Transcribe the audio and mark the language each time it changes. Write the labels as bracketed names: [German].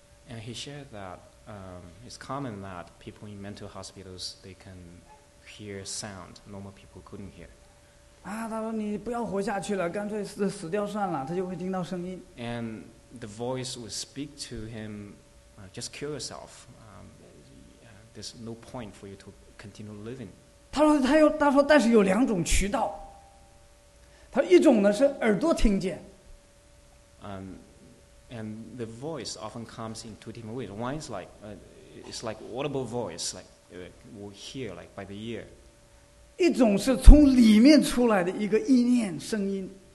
[English] And he shared that. It's common that people in mental hospitals they can hear sound normal people couldn't hear. [Chinese] 啊，他说你不要活下去了，干脆死掉算了，他就会听到声音。 [English] And the voice would speak to him, just kill yourself. There's no point for you to continue living. [Chinese] 他说但是有两种渠道。他说一种呢是耳朵听见。 [English] And the voice often comes in two different ways. One is like, it's like audible voice, like we'll hear like by the ear. [Chinese] 一种是从里面出来的一个意念声音。